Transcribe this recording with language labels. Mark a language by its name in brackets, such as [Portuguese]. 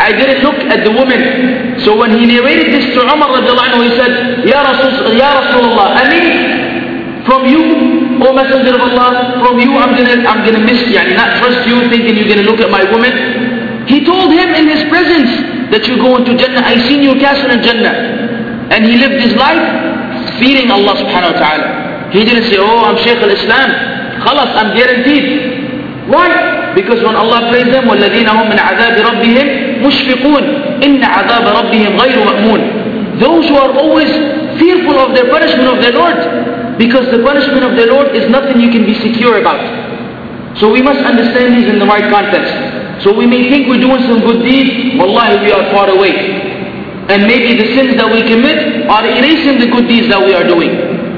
[English] I didn't look at the woman. So when he narrated this to Umar radiallahu anhu, he said, Ya Rasulullah, Ameen, from you, O Messenger of Allah, from you I'm gonna miss you, and not trust you, thinking you're gonna look at my woman. He told him in his presence that you're going to Jannah, I seen your castle in Jannah. And he lived his life fearing Allah subhanahu wa ta'ala. He didn't say, oh, I'm Shaykh al-Islam, khalas, I'm guaranteed. Why? Because when Allah praised them, [Arabic] وَالَّذِينَ هُمْ مِنْ عَذَابِ رَبِّهِمْ مُشْفِقُونَ إِنَّ عَذَابَ رَبِّهِمْ غَيْرُ مَأْمُونَ. [English] Those who are always fearful of the punishment of their Lord, because the punishment of their Lord is nothing you can be secure about. So we must understand these in the right context. So we may think we're doing some good deeds, wallahi we are far away. And maybe the sins that we commit are erasing the good deeds that we are doing.